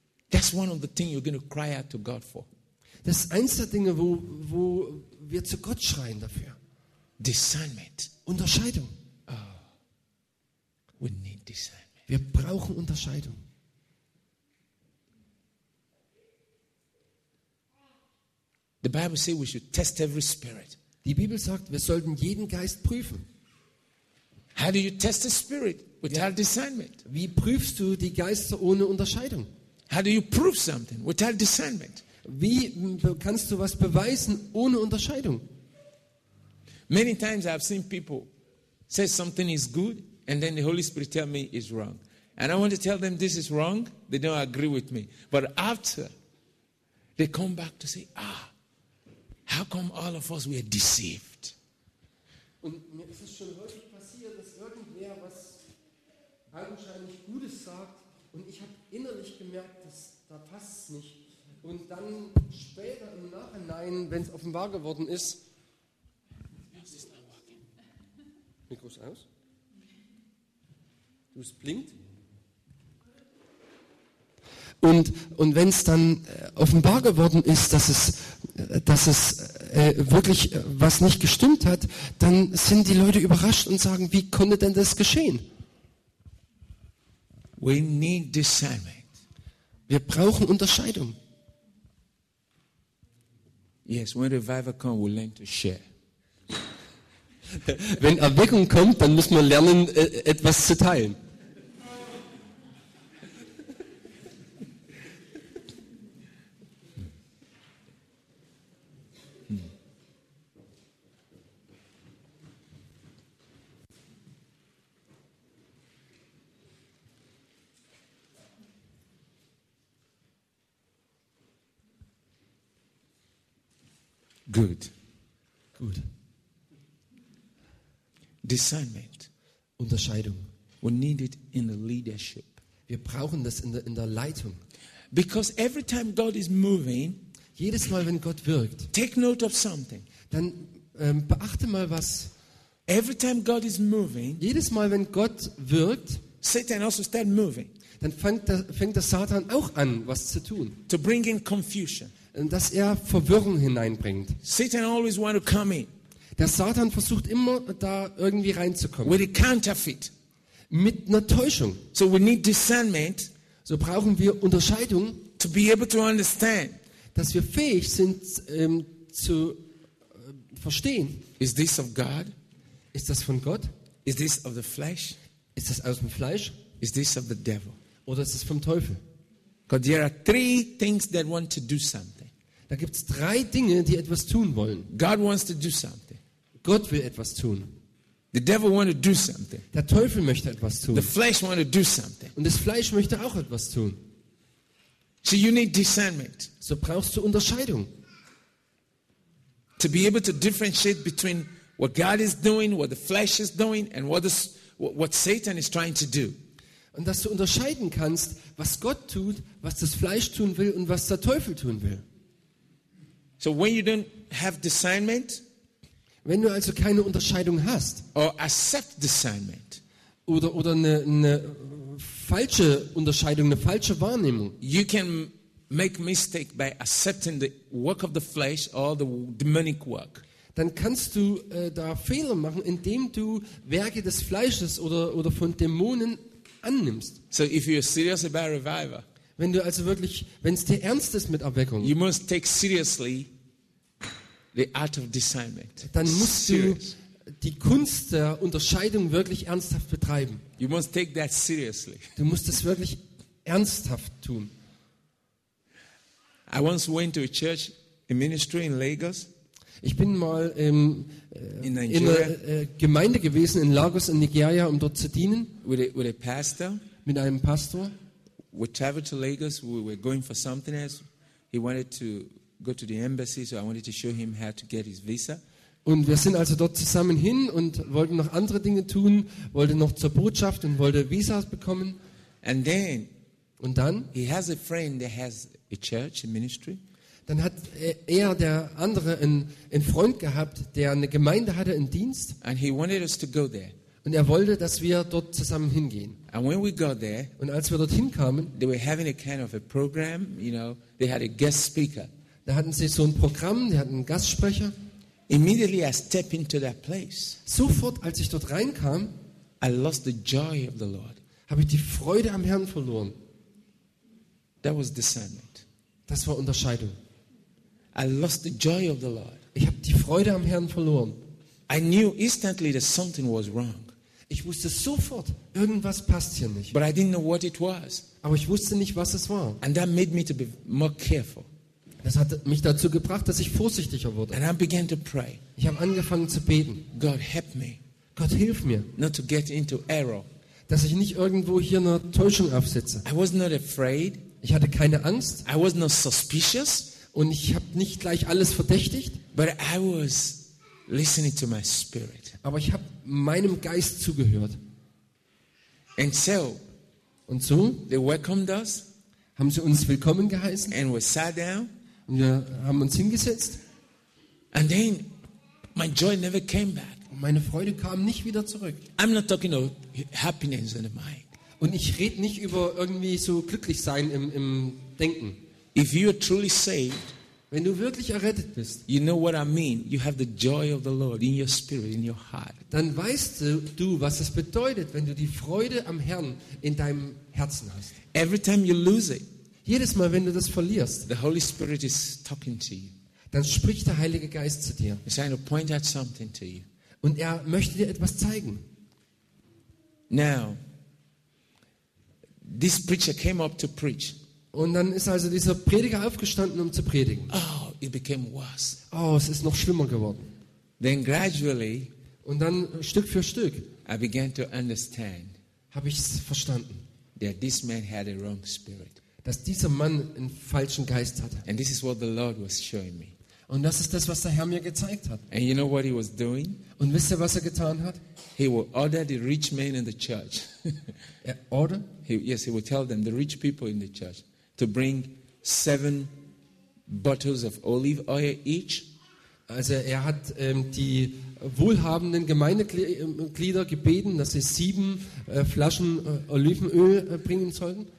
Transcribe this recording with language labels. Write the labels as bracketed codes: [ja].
[en] That's one of the things you're going to cry out to God for. [de] Das ist eins der Dinge, wo wir zu Gott schreien dafür. [en] Discernment. [de] Unterscheidung. [en] Oh, we need discernment. [de] Wir brauchen Unterscheidung. [en] The Bible says we should test every spirit. [de] Die Bibel sagt, wir sollten jeden Geist prüfen. [en] How do you test the spirit without discernment? [de] Wie prüfst du die Geister ohne Unterscheidung? [en] How do you prove something without discernment? [de] Wie kannst du was beweisen ohne Unterscheidung? [en] Many times I've seen people say something is good and then the Holy Spirit tell me it's wrong. And I want to tell them this is wrong, they don't agree with me. But after, they come back to say, how come all of us were deceived? [de] Und mir ist es schon häufig passiert, dass irgendwer was augenscheinlich Gutes sagt und ich habe innerlich gemerkt, dass da passt es nicht. Und dann später im Nachhinein, wenn es offenbar geworden ist, Mikros aus? Du, es blinkt. Und wenn es dann offenbar geworden ist, dass es wirklich was nicht gestimmt hat, dann sind die Leute überrascht und sagen, wie konnte denn das geschehen? [en] We need discernment. [de] Wir brauchen Unterscheidung. [en] Yes, when revival comes, we learn to share. [de] Wenn Erweckung kommt, dann muss man lernen, etwas zu teilen. [en] Good. Good. Discernment. [de] Unterscheidung. [en] We need it in the leadership. [de] Wir brauchen das in der Leitung. [en] Because every time God is moving, [de] jedes Mal, wenn Gott wirkt, [en] take note of something. [de] Dann beachte mal was. [en] Every time God is moving, [de] jedes Mal, wenn Gott wirkt, [en] Satan also starts moving. [de] Dann fängt der Satan auch an, was zu tun. [en] To bring in confusion. [de] Dass er Verwirrung hineinbringt. [en] Satan always want to come in. [de] Der Satan versucht immer, da irgendwie reinzukommen. [en] With a counterfeit. [de] Mit einer Täuschung. [en] So we need discernment. [de] So brauchen wir Unterscheidung. [en] To be able to understand. [de] Dass wir fähig sind zu verstehen. [en] Is this of God? [de] Ist das von Gott? [en] Is this of the flesh? [de] Ist das aus dem Fleisch? [en] Is this of the devil? [de] Oder ist das vom Teufel? [en] Because there are three things that want to do something. [de] Da gibt's drei Dinge, die etwas tun wollen. [en] God wants to do something. [de] Gott will etwas tun. [en] The devil wants to do something. [de] Der Teufel möchte etwas tun. [en] The flesh wants to do something. [de] Und das Fleisch möchte auch etwas tun. [en] So you need discernment. [de] So brauchst du Unterscheidung. [en] To be able to differentiate between what God is doing, what the flesh is doing, and what Satan is trying to do. [de] Und dass du unterscheiden kannst, was Gott tut, was das Fleisch tun will und was der Teufel tun will. [en] So when you don't have discernment, [de] wenn du also keine Unterscheidung hast [en] or accept discernment, [de] oder eine falsche Unterscheidung, eine falsche Wahrnehmung, [en] you can make mistake by accepting the work of the flesh or the demonic work. [de] Dann kannst du da Fehler machen, indem du Werke des Fleisches oder von Dämonen annimmst. [en] So if you're serious about revival, [de] wenn du also wirklich, wenn es dir ernst ist mit Erweckung, [en] you must take seriously the art of discernment. [de] Dann musst du die Kunst der Unterscheidung wirklich ernsthaft betreiben. [en] You must take that seriously. [de] Du musst das wirklich ernsthaft tun. [en] I once went to a church, a ministry in Lagos. [de] Ich bin mal in einer Gemeinde gewesen in Lagos in Nigeria, um dort zu dienen. [en] With a pastor. [de] Mit einem Pastor. [en] We traveled to Lagos. We were going for something else. He wanted to go to the embassy, so I wanted to show him how to get his visa. [de] Und wir sind also dort zusammen hin und wollten noch andere Dinge tun, wollte noch zur Botschaft und wollte Visas bekommen. [en] And then. [de] Und dann. [en] He has a friend that has a church, a ministry. [de] Dann hat er der andere einen Freund gehabt, der eine Gemeinde hatte, einen Dienst. [en] And he wanted us to go there. [de] Und er wollte, dass wir dort zusammen hingehen. [en] And when we got there, [de] und als wir dorthin kamen, [en] they were having a kind of a program, you know, they had a guest speaker. [de] Da hatten sie so ein Programm, die hatten einen Gastsprecher. [en] Immediately I stepped into that place. [de] Sofort, als ich dort reinkam, [en] I lost the joy of the Lord. [de] Habe ich die Freude am Herrn verloren. [en] That was discernment. [de] Das war Unterscheidung. [en] I lost the joy of the Lord. [de] Ich habe die Freude am Herrn verloren. [en] I knew instantly that something was wrong. [de] Ich wusste sofort, irgendwas passt hier nicht. [en] But I didn't know what it was. [de] Aber ich wusste nicht, was es war. [en] And that made me to be more careful. [de] Das hat mich dazu gebracht, dass ich vorsichtiger wurde. [en] And I began to pray. [de] Ich habe angefangen zu beten. [en] God help me. [de] Gott hilf mir. [en] Not to get into error. [de] Dass ich nicht irgendwo hier eine Täuschung aufsetze. [en] I was not afraid. [de] Ich hatte keine Angst. [en] I was not suspicious. [de] Und ich habe nicht gleich alles verdächtigt. [en] But I was listening to my spirit. [de] Aber ich habe meinem Geist zugehört. [en] And so, [de] und so [en] they welcomed us, [de] haben sie uns willkommen geheißen. [en] And we sat down, [de] und wir haben uns hingesetzt. [en] And then my joy never came back. [de] Und meine Freude kam nicht wieder zurück. [en] I'm not talking of happiness in the mind. [de] Und ich rede nicht über irgendwie so glücklich sein im Denken. [en] If you are truly saved, [de] wenn du wirklich errettet bist, [en] you know what I mean. You have the joy of the Lord in your spirit, in your heart. [de] Dann weißt du, was es bedeutet, wenn du die Freude am Herrn in deinem Herzen hast. [en] Every time you lose it, [de] jedes Mal, wenn du das verlierst, [en] the Holy Spirit is talking to you. [de] Dann spricht der Heilige Geist zu dir. [en] He's trying to point out something to you. [de] Und er möchte dir etwas zeigen. [en] Now, this preacher came up to preach. [de] Und dann ist also dieser Prediger aufgestanden, um zu predigen. [en] Oh, it became worse. [de] Oh, es ist noch schlimmer geworden. [en] Then gradually, [de] und dann Stück für Stück, [en] I began to understand, [de] habe ich es verstanden, [en] that this man had a wrong spirit. [de] Dass dieser Mann einen falschen Geist hatte. [en] And this is what the Lord was showing me. [de] Und das ist das, was der Herr mir gezeigt hat. [en] And you know what he was doing? [de] Und wisst ihr, was er getan hat? [en] He will order the rich men in the church. [de] Er order? [en] He will tell them, the rich people in the church, to bring 7 bottles of olive oil each. [de] Also er hat die wohlhabenden Gemeindeglieder gebeten, dass sie 7 Flaschen Olivenöl bringen sollten.